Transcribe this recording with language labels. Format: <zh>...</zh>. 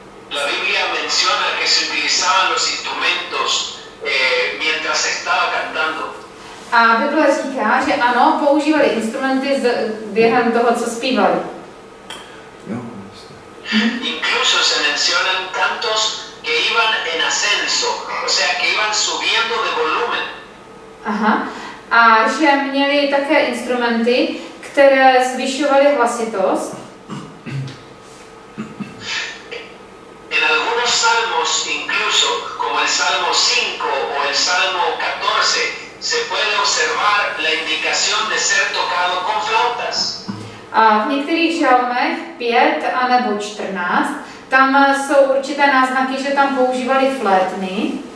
<es>La Biblia menciona que se utilizaban los instrumentos mientras estaba cantando.</es> <cs>A Biblia říká, že ano, používali instrumenty během toho, co zpívali.</cs> <es>Incluso se mencionan cantos que iban en ascenso, o sea, que iban subiendo de volumen. Aha.</es> <cs>A že měli také instrumenty, které zvyšovaly hlasitost.</cs> <es>En algunos salmos, incluso como el Salmo 5 o el Salmo 14, se puede observar la indicación de ser tocado con flautas.</es> <cs>A v některých žalmech 5 anebo 14, tam jsou určité náznaky, že tam používali flétny.</cs>